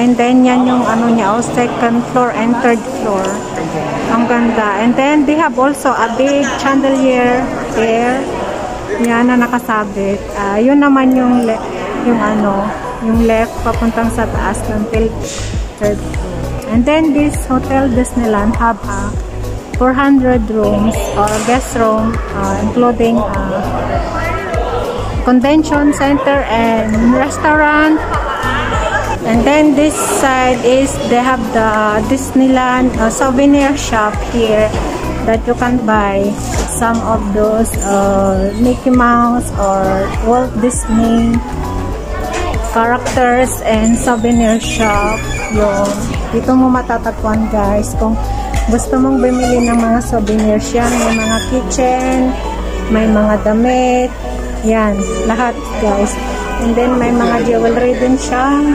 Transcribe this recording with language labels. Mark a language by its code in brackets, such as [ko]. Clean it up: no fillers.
[tl] And then, yan yung ano niya, oh, [en] second floor and third floor. [tl] Ang ganda. [en] And then, they have also a big chandelier there. [tl] Ayan, na nakasabit. Yun naman yung, yung left papuntang sa taas ng third floor. [en] And then, this Hotel Disneyland have a 400 rooms or guest room including convention center and restaurant. And then this side is they have the Disneyland souvenir shop here that you can buy some of those Mickey Mouse or Walt Disney characters and souvenir shop. [tl] Yung dito mo matatagpuan, guys, kung gusto mong bumili ng mga souvenirs yan. May mga kitchen, may mga damit. Yan, lahat, guys. And then, may mga jewelry din siya.